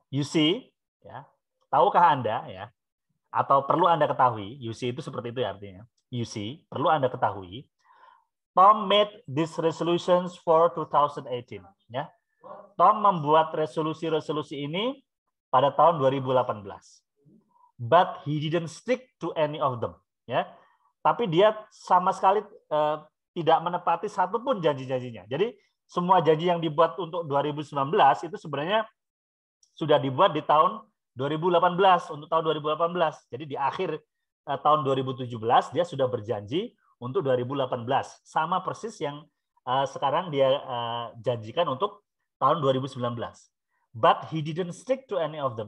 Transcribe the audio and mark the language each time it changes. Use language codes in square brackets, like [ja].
[en] You see, [id] ya. Tahukah Anda, ya? Atau perlu Anda ketahui, you see itu seperti itu ya artinya. [en] You see, [id] perlu Anda ketahui, [en] Tom made these resolutions for 2018, ya. [id] Tom membuat resolusi-resolusi ini pada tahun 2018. [en] But he didn't stick to any of them, ya. [id] Tapi dia sama sekali tidak menepati satupun janji-janjinya. Jadi semua janji yang dibuat untuk 2019 itu sebenarnya sudah dibuat di tahun 2018 untuk tahun 2018. Jadi di akhir tahun 2017 dia sudah berjanji untuk 2018, sama persis yang sekarang dia janjikan untuk tahun 2019. [en] But he didn't stick to any of them.